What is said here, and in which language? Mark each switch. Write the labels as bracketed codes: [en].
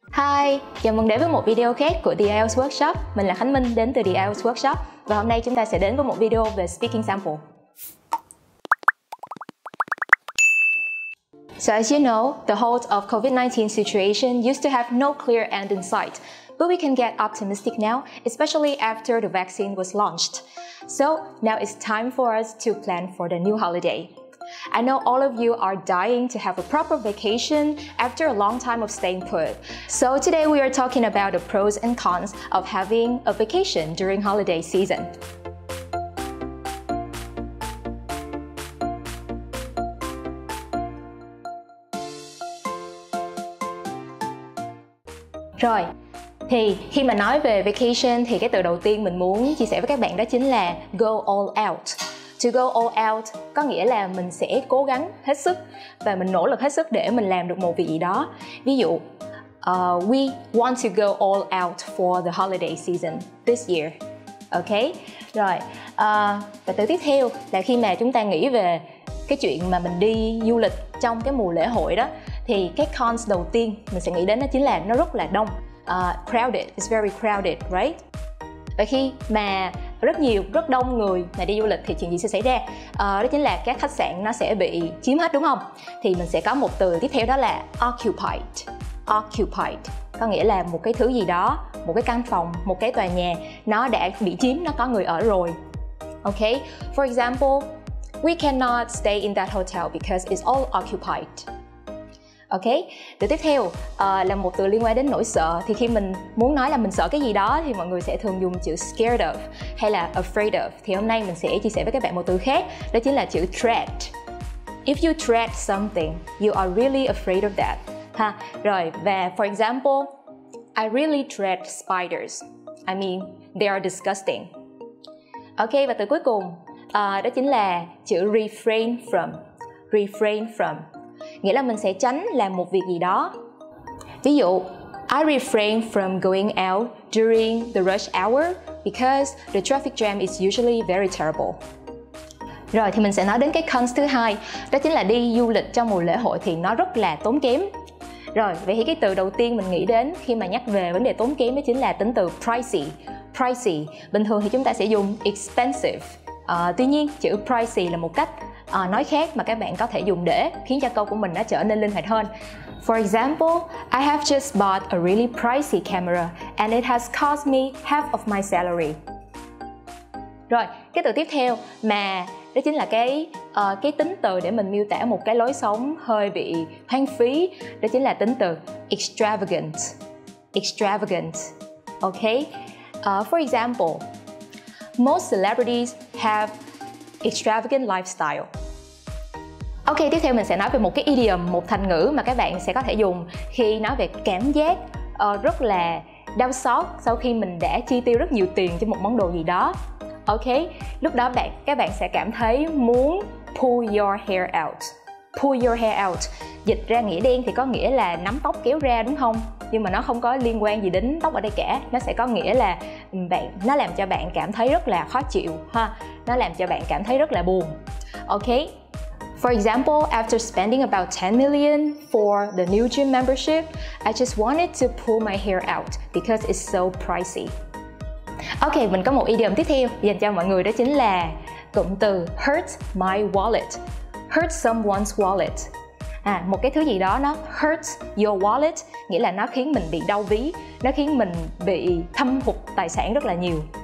[vi] Hi, chào mừng đến với một video khác của The IELTS Workshop. Mình là Khánh Minh đến từ The IELTS Workshop và hôm nay chúng ta sẽ đến với một video về speaking sample. [en] So as you know, the whole of COVID-19 situation used to have no clear end in sight, but we can get optimistic now, especially after the vaccine was launched. So now it's time for us to plan for the new holiday. I know all of you are dying to have a proper vacation after a long time of staying put. So today we are talking about the pros and cons of having a vacation during holiday season. [vi] Rồi, thì khi mà nói về vacation thì cái từ đầu tiên mình muốn chia sẻ với các bạn đó chính là go all out. To go all out có nghĩa là mình sẽ cố gắng hết sức và mình nỗ lực hết sức để mình làm được một việc gì đó. Ví dụ, [en] we want to go all out for the holiday season this year. [vi] Ok, rồi. Và từ tiếp theo là khi mà chúng ta nghĩ về cái chuyện mà mình đi du lịch trong cái mùa lễ hội đó, thì cái cons đầu tiên mình sẽ nghĩ đến đó chính là nó rất là đông. [en] Crowded, it's very crowded, right? [vi] Và khi mà rất nhiều, rất đông người mà đi du lịch thì chuyện gì sẽ xảy ra? Đó chính là các khách sạn nó sẽ bị chiếm hết, đúng không? Thì mình sẽ có một từ tiếp theo đó là occupied. Occupied có nghĩa là một cái thứ gì đó, một cái căn phòng, một cái tòa nhà nó đã bị chiếm, nó có người ở rồi. [en] Ok, for example, we cannot stay in that hotel because it's all occupied. [vi] Ok, từ tiếp theo là một từ liên quan đến nỗi sợ. Thì khi mình muốn nói là mình sợ cái gì đó thì mọi người sẽ thường dùng chữ scared of hay là afraid of. Thì hôm nay mình sẽ chia sẻ với các bạn một từ khác, đó chính là chữ dread. [en] If you dread something, you are really afraid of that. [vi] Ha, rồi, và [en] for example, I really dread spiders. I mean, they are disgusting. [vi] Ok, và từ cuối cùng đó chính là chữ refrain from. Refrain from nghĩa là mình sẽ tránh làm một việc gì đó. Ví dụ, [en] I refrain from going out during the rush hour because the traffic jam is usually very terrible. [vi] Rồi thì mình sẽ nói đến cái cons thứ hai, đó chính là đi du lịch trong mùa lễ hội thì nó rất là tốn kém. Rồi, vậy thì cái từ đầu tiên mình nghĩ đến khi mà nhắc về vấn đề tốn kém đó chính là tính từ pricey. Pricey, bình thường thì chúng ta sẽ dùng expensive. Tuy nhiên, chữ pricey là một cách nói khác mà các bạn có thể dùng để khiến cho câu của mình nó trở nên linh hoạt hơn. [en] For example, I have just bought a really pricey camera and it has cost me half of my salary. [vi] Rồi, cái từ tiếp theo mà đó chính là cái tính từ để mình miêu tả một cái lối sống hơi bị hoang phí, đó chính là tính từ extravagant. Extravagant. Okay. [en] For example, most celebrities have extravagant lifestyle. [vi] Ok, tiếp theo mình sẽ nói về một cái idiom, một thành ngữ mà các bạn sẽ có thể dùng khi nói về cảm giác rất là đau xót sau khi mình đã chi tiêu rất nhiều tiền cho một món đồ gì đó. Ok, lúc đó các bạn sẽ cảm thấy muốn pull your hair out. Pull your hair out, dịch ra nghĩa đen thì có nghĩa là nắm tóc kéo ra, đúng không? Nhưng mà nó không có liên quan gì đến tóc ở đây cả. Nó sẽ có nghĩa là nó làm cho bạn cảm thấy rất là khó chịu ha. Nó làm cho bạn cảm thấy rất là buồn. [en] Ok, for example, after spending about 10 million for the new gym membership, I just wanted to pull my hair out because it's so pricey. [vi] Ok, mình có một idiom tiếp theo dành cho mọi người, đó chính là cụm từ hurt my wallet. Hurt someone's wallet. À, một cái thứ gì đó nó hurt your wallet, nghĩa là nó khiến mình bị đau ví, nó khiến mình bị thâm hụt tài sản rất là nhiều.